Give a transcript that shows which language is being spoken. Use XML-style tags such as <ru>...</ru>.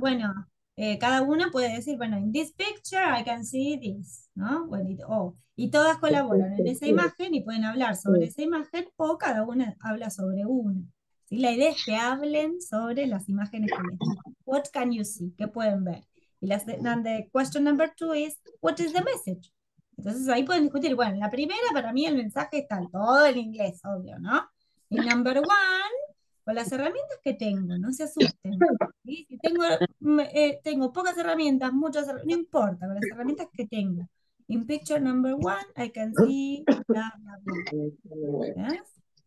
<es>bueno, Cada una puede decir, bueno,</es> <en>in this picture I can see this,</en> <es>¿no? Bueno, y todas colaboran en esa imagen y pueden hablar sobre esa imagen o cada una habla sobre una. ¿Sí? La idea es que hablen sobre las imágenes que les di.</es> <en>What can you see?</en> <es>¿Qué pueden ver? Y la</es> <en>question number two is, what is the message?</en> <es>Entonces ahí pueden discutir, bueno, la primera para mí el mensaje está todo en inglés, obvio, ¿no? Y</es> <en>number one,</en> <es>con las herramientas que tengo, no se asusten. ¿Sí? Si tengo pocas herramientas, muchas herramientas, no importa, con las herramientas que tengo.</es> <en>In picture number one, I can see bla, bla, bla. ¿Ya? O</en>